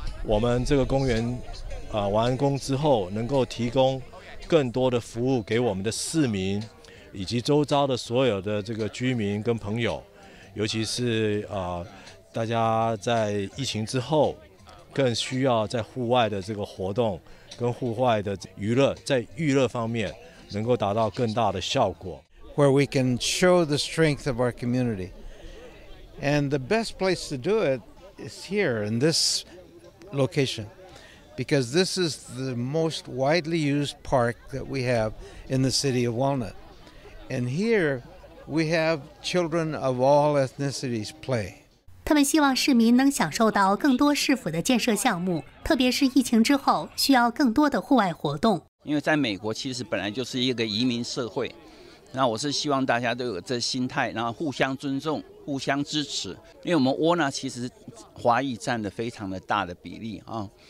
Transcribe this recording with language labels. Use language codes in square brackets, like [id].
[zh] 我们这个公园完工之后能够提供更多的服务给我们的市民以及周遭的所有的这个居民跟朋友，尤其是大家在疫情之后更需要在户外的这个活动跟户外的娱乐，在娱乐方面能够达到更大的效果。 [en] Where we can show the strength of our community and the best place to do it is here in thislocation, because this is the most widely used park that we have in the city of Walnut. And here we have children of all ethnicities play. [zh] 他们希望市民能享受到更多市府的建设项目，特别是疫情之后需要更多的户外活动。因为在美国其实本来就是一个移民社会，那我是希望大家都有这心态，然后互相尊重。互相支持，因为我们窝纳其实华裔占的非常的大的比例啊。